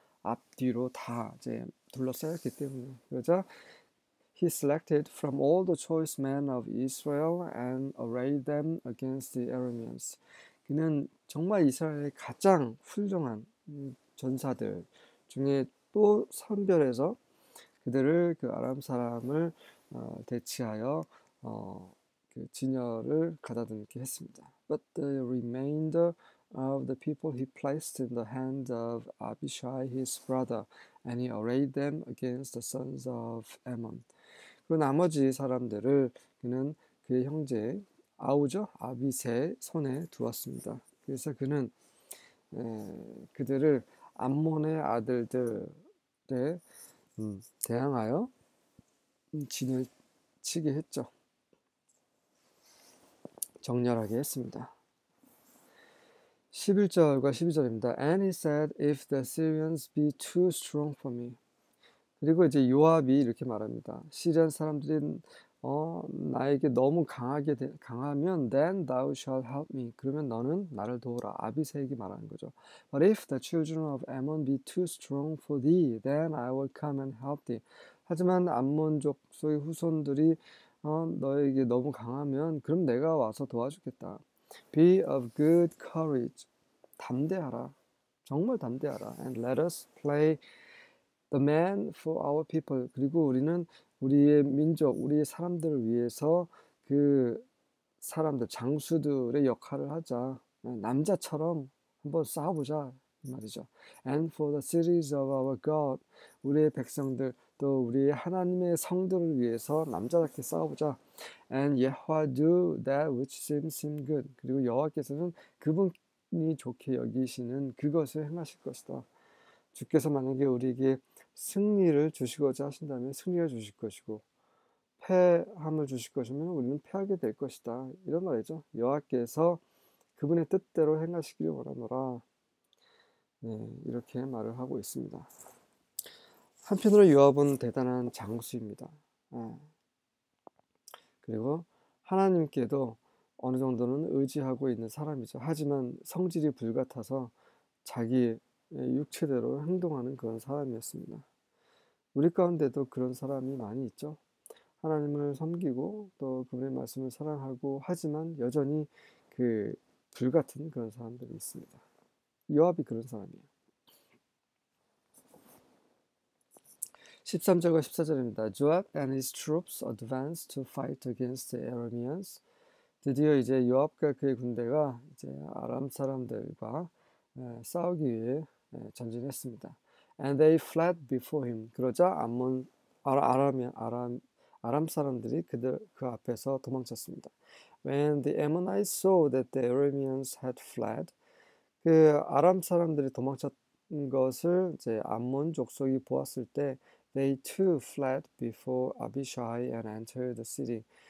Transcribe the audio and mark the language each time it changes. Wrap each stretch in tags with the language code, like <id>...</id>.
<ko>앞뒤로 다 이제 둘러싸였기 때문에 그러자</ko> <en>he selected from all the choice men of Israel and arrayed them against the Arameans.</en> <ko>그는 정말 이스라엘의 가장 훌륭한 전사들 중에 또 선별해서 그들을 그 아람 사람을 대치하여 그 진열을 가다듬게 했습니다.</ko> <en>But the remainder of the people he placed in the hand of Abishai his brother, and he arrayed them against the sons of Ammon.</en> <ko>그 나머지 사람들을 그는 그의 형제 아우죠 아비새 손에 두었습니다. 그래서 그는 그들을 암몬의 아들들에 대항하여 진을 치게 했죠. 정렬하게 했습니다. 11절과 12절입니다.</ko> <en>And he said, if the Syrians be too strong for me.</en> <ko>그리고 이제 요압이 이렇게 말합니다. 시리안 사람들이 나에게 너무 강하면</ko> <en>then thou shalt help me.</en> <ko>그러면 너는 나를 도우라. 아비세에게 말하는 거죠.</ko> <en>But if the children of Ammon be too strong for thee, then I will come and help thee.</en> <ko>하지만 암몬 족속의 후손들이 너에게 너무 강하면 그럼 내가 와서 도와주겠다.</ko> <en>Be of good courage.</en> <ko>담대하라. 정말 담대하라.</ko> <en>And let us play the man for our people.</en> <ko>그리고 우리는 우리의 민족, 우리의 사람들을 위해서 그 사람들, 장수들의 역할을 하자. 남자처럼 한번 싸워보자. 말이죠.</ko> <en>And for the cities of our God.</en> <ko>우리의 백성들, 또 우리의 하나님의 성들을 위해서 남자답게 싸워보자.</ko> <en>And Yehovah do that which seems him good.</en> <ko>그리고 여호와께서는 그분이 좋게 여기시는 그것을 행하실 것이다. 주께서 만약에 우리에게 승리를 주시고자 하신다면 승리를 주실 것이고 패함을 주실 것이면 우리는 패하게 될 것이다. 이런 말이죠. 여호와께서 그분의 뜻대로 행하시기를 원하노라. 이렇게 말을 하고 있습니다. 한편으로 요압은 대단한 장수입니다. 그리고 하나님께도 어느 정도는 의지하고 있는 사람이죠. 하지만 성질이 불같아서 자기 육체대로 행동하는 그런 사람이었습니다. 우리 가운데도 그런 사람이 많이 있죠. 하나님을 섬기고 또 그분의 말씀을 사랑하고 하지만 여전히 그 불같은 그런 사람들이 있습니다. 요압이 그런 사람이에요. 13절과 14절입니다.</ko> <en>Joab and his troops advanced to fight against the Arameans.</en> <ko>드디어 이제 요압과 그의 군대가 이제 아람 사람들과 싸우기 위해 전진했습니다.</ko> <en>And they fled before him.</en> <ko>그러자 아람 사람들이 그들 그 앞에서 도망쳤습니다.</ko> <en>When the Ammonites saw that the Arameans had fled,</en> <ko>그 아람 사람들이 도망쳤던 것을 이제 암몬 족속이 보았을 때,</ko> <en>they too fled before Abishai and entered the city.</en>